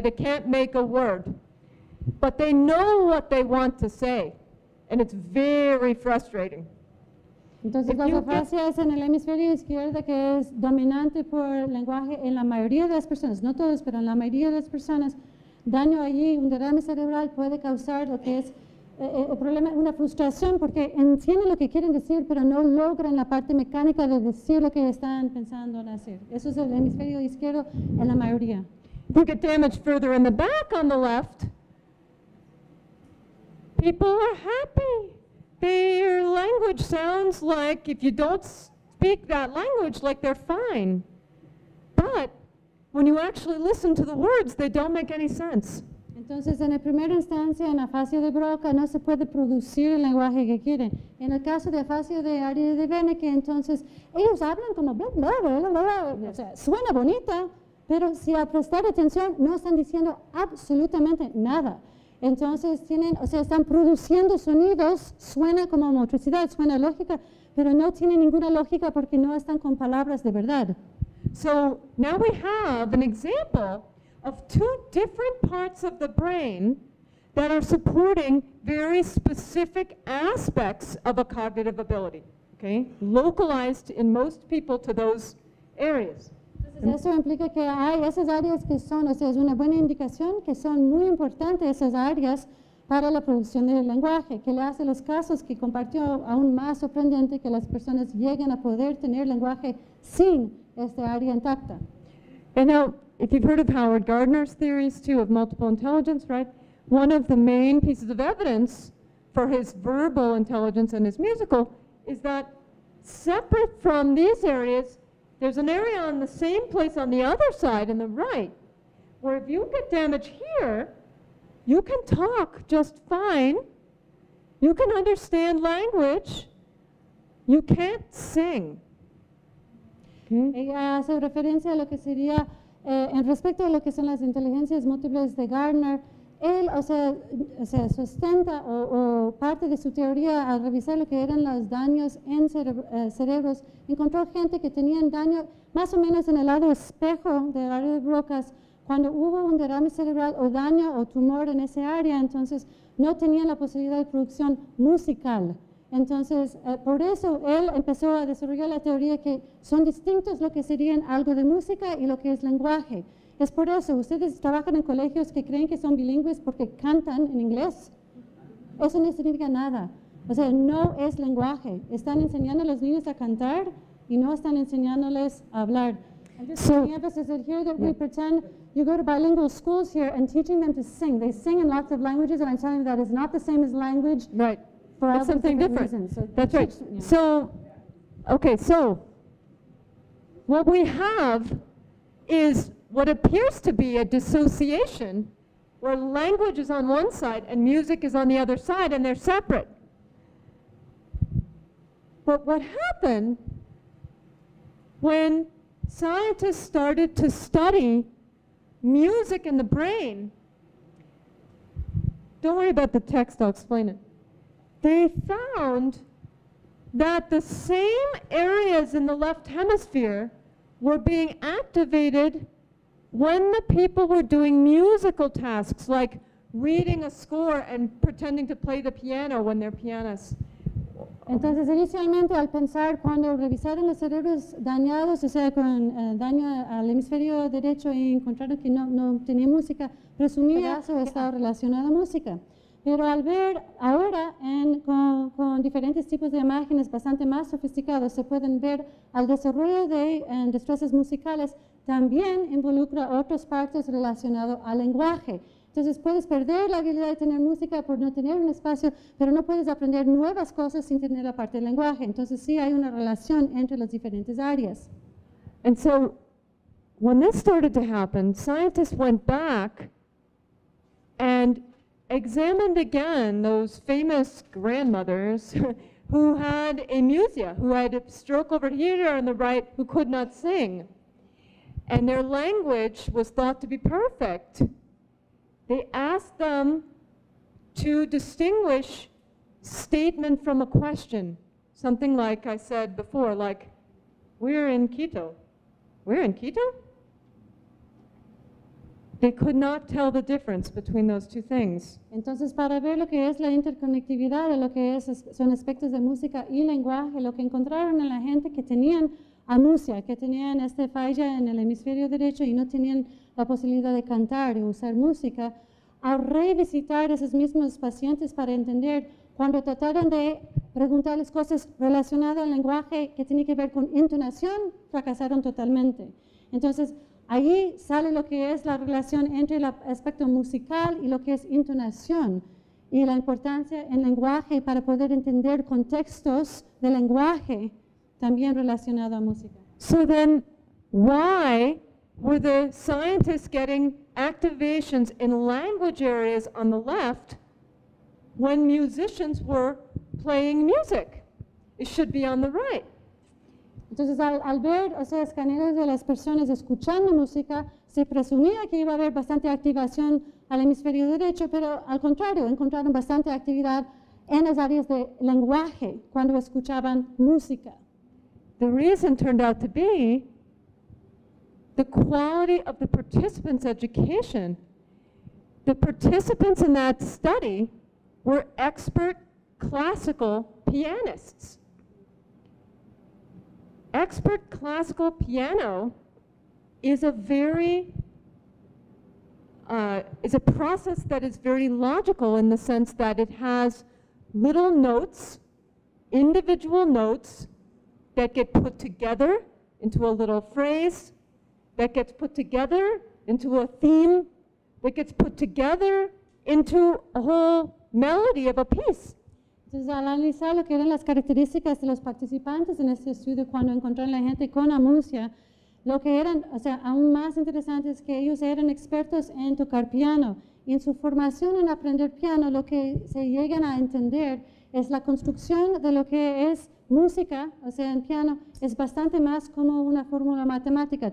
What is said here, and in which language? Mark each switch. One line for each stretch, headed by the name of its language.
English: They can't make a word. But they know what they want to say, and it's very frustrating.
Spanish: Entonces, las afasias en el hemisferio izquierdo que es dominante por lenguaje en la mayoría de las personas, no todos, pero en la mayoría de las personas, daño allí, un derrame cerebral puede causar lo que es el problema, una frustración, porque entienden lo que quieren decir, pero no logran la parte mecánica de decir lo que están pensando en hacer. Eso es el hemisferio izquierdo en la mayoría.
English: You get damage further in the back on the left. People are happy. Their language sounds like, if you don't speak that language, like they're fine. But when you actually listen to the words, they don't make any sense.
Spanish: Entonces, en la primera instancia, en la afasia de Broca, no se puede producir el lenguaje que quieren. En el caso de afasia de área de Wernicke, entonces, ellos hablan como bla, bla, bla, bla, bla, bla. O sea, suena bonita, pero si a prestar atención, no están diciendo absolutamente nada. Entonces, tienen, o sea, están produciendo sonidos, suena como motricidad, suena lógica, pero no tiene ninguna lógica porque no están con palabras de verdad.
English: So, now we have an example of two different parts of the brain that are supporting very specific aspects of a cognitive ability, okay? Localized in most people to those areas.
Spanish: Entonces, eso implica que hay esas áreas que son, o sea, es una buena indicación que son muy importantes esas áreas para la producción del lenguaje, que le hace los casos que compartió aún más sorprendente que las personas lleguen a poder tener lenguaje sin esta área intacta.
English: And now, if you've heard of Howard Gardner's theories too of multiple intelligence, right? One of the main pieces of evidence for his verbal intelligence and his musical is that separate from these areas, there's an area on the same place on the other side, in the right, where if you get damage here, you can talk just fine, you can understand language, you can't sing. Okay.
Spanish: Ella hace referencia a lo que sería, en respecto a lo que son las inteligencias múltiples de Gardner, él, o sea sustenta o parte de su teoría al revisar lo que eran los daños en cerebros, encontró gente que tenían daño más o menos en el lado espejo del área de Broca's cuando hubo un derrame cerebral o daño o tumor en esa área, entonces no tenían la posibilidad de producción musical. Entonces, por eso él empezó a desarrollar la teoría que son distintos lo que serían algo de música y lo que es lenguaje. Es por eso, ustedes trabajan en colegios que creen que son bilingües porque cantan en inglés. Eso no significa nada. O sea, no es lenguaje. Están enseñando a los niños a cantar y no están enseñándoles a hablar.
English: And just so, here that we pretend you go to bilingual schools here and teaching them to sing. They sing in lots of languages and I'm telling you that is not the same as language. Right. For that's something different. So that's right. Yeah. So, okay, so what we have is what appears to be a dissociation where language is on one side and music is on the other side and they're separate. But what happened when scientists started to study music in the brain, don't worry about the text, I'll explain it. They found that the same areas in the left hemisphere were being activated when the people were doing musical tasks, like reading a score and pretending to play the piano when they're pianists.
Spanish: Entonces, inicialmente, al pensar, cuando revisaron los cerebros dañados, o sea, con daño al hemisferio derecho, y encontraron que no tenía música, presumía que eso estaba relacionado a música. Pero al ver ahora con diferentes tipos de imágenes bastante más sofisticados, se pueden ver al desarrollo de destrezas musicales también involucra otras partes relacionadas al lenguaje. Entonces puedes perder la habilidad de tener música por no tener un espacio, pero no puedes aprender nuevas cosas sin tener la parte del lenguaje. Entonces sí hay una relación entre las diferentes áreas.
English: And so, when this started to happen, scientists went back and examined again those famous grandmothers who had amusia, who had a stroke over here on the right, who could not sing. And their language was thought to be perfect. They asked them to distinguish statement from a question. Something like I said before, like, we're in Quito. We're in Quito? They could not tell the difference between those two things.
Spanish: Entonces, para ver lo que es la interconectividad de lo que es, son aspectos de música y lenguaje, lo que encontraron en la gente que tenían amusia, que tenían esta falla en el hemisferio derecho y no tenían la posibilidad de cantar y usar música, al revisitar esos mismos pacientes para entender, cuando trataron de preguntarles cosas relacionadas al lenguaje que tiene que ver con entonación, fracasaron totalmente. Entonces, ahí sale lo que es la relación entre el aspecto musical y lo que es entonación y la importancia en lenguaje para poder entender contextos de lenguaje también relacionado a música.
English: So then, why were the scientists getting activations in language areas on the left when musicians were playing music? It should be on the right.
Spanish: Entonces, al ver, o sea, escaneos de las personas escuchando música, se presumía que iba a haber bastante activación al hemisferio derecho, pero al contrario, encontraron bastante actividad en las áreas de lenguaje cuando escuchaban música.
English: The reason turned out to be the quality of the participants' education. The participants in that study were expert classical pianists. Expert classical piano is a very, is a process that is very logical in the sense that it has little notes, individual notes, that get put together into a little phrase, that gets put together into a theme, that gets put together into a whole melody of a piece.
Spanish: Entonces, al analizar lo que eran las características de los participantes en este estudio cuando encontraron la gente con amusia, lo que eran, o sea, aún más interesante es que ellos eran expertos en tocar piano. Y en su formación en aprender piano, lo que se llegan a entender es la construcción de lo que es música, o sea, en piano, es bastante más como una fórmula matemática.